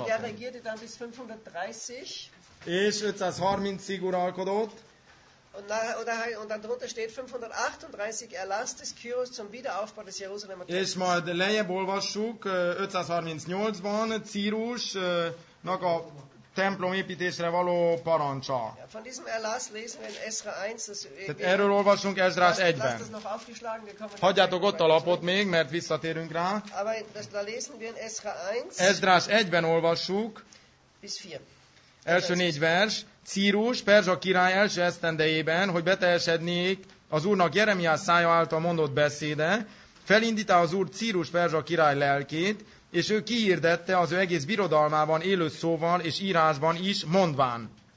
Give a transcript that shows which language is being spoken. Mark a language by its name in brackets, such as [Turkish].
[German] Und der regierte dann bis 530. [Hungarian] És 530-ig uralkodott. [German] Und darunter steht 538 Erlass des Kyrus zum Wiederaufbau des Jerusalemer Tempels. [Hungarian] És majd lejjebb olvassuk, 538-ban Círusnak a templom építésre való parancsa. [German] Ja, von diesem Erlass lesen wir in Esra 1. [Hungarian] Erről olvassunk Esdrás 1-ben. Hagyjátok ott a lapot még, mert visszatérünk rá. [German] Aber da lesen wir in Esra 1. [Hungarian] Esdrás 1-ben olvassuk. [German] Bis 4. [Hungarian] Első négy vers. Círus, perzsa király első esztendejében, hogy beteljesednék az úrnak Jeremiás szája által mondott beszéde, felindítá az úr Círus, perzsa király lelkét, és ő kiirdette az ő egész birodalmában élő szóval és írásban is mondván.